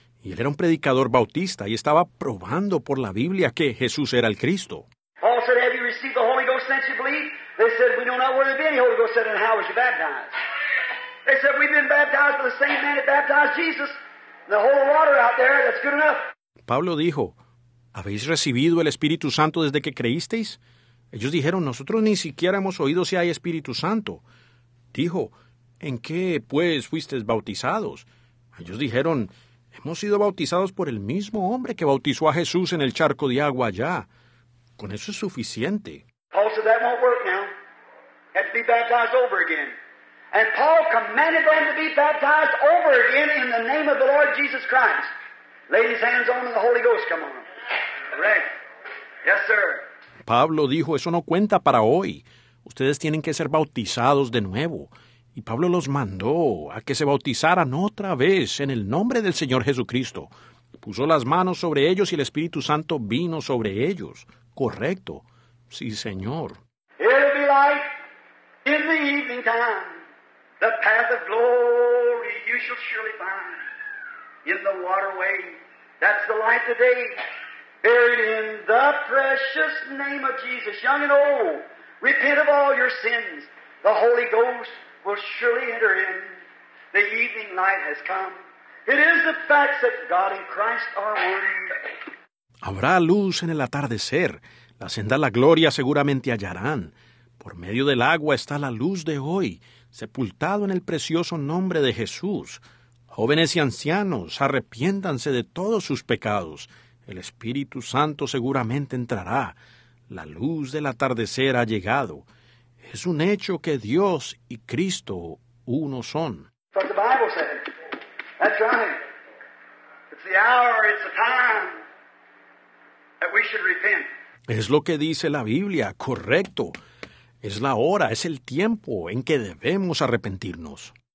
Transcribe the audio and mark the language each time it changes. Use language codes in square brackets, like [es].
[es] Y él era un predicador bautista y estaba probando por la Biblia que Jesús era el Cristo. [en] Paul said, have you received the Holy Ghost since you believe? They said, we know not where there be any Holy Ghost. And how was you baptized? They said, we've been baptized by the same man that baptized Jesus. The whole water out there, that's good enough. [es] Pablo dijo, ¿habéis recibido el Espíritu Santo desde que creísteis? Ellos dijeron, nosotros ni siquiera hemos oído si hay Espíritu Santo. Dijo, ¿en qué, pues, fuisteis bautizados? Ellos dijeron, hemos sido bautizados por el mismo hombre que bautizó a Jesús en el charco de agua allá. Con eso es suficiente. [en] Paul said, that won't work now. Have to be baptized over again. And Paul commanded them to be baptized over again in the name of the Lord Jesus Christ. Lay his hands on and the Holy Ghost come on him. Right. Yes, sir. [es] Pablo dijo, eso no cuenta para hoy. Ustedes tienen que ser bautizados de nuevo. Y Pablo los mandó a que se bautizaran otra vez en el nombre del Señor Jesucristo. Puso las manos sobre ellos y el Espíritu Santo vino sobre ellos. Correcto. Sí, Señor. [en] It'll be like in the evening time, the path of glory you shall surely find in the waterway. That's the light of the day. Buried in the precious name of Jesus, young and old, repent of all your sins. The Holy Ghost will surely enter in. The evening light has come. It is the facts that God and Christ are one. [es] Habrá luz en el atardecer. La senda a la gloria seguramente hallarán. Por medio del agua está la luz de hoy, sepultado en el precioso nombre de Jesús. Jóvenes y ancianos, arrepiéntanse de todos sus pecados. El Espíritu Santo seguramente entrará. La luz del atardecer ha llegado. Es un hecho que Dios y Cristo uno son. [en] But the Bible said, that's right. It's the hour, it's the time that we should repent. [es] Es lo que dice la Biblia, correcto. Es la hora, es el tiempo en que debemos arrepentirnos.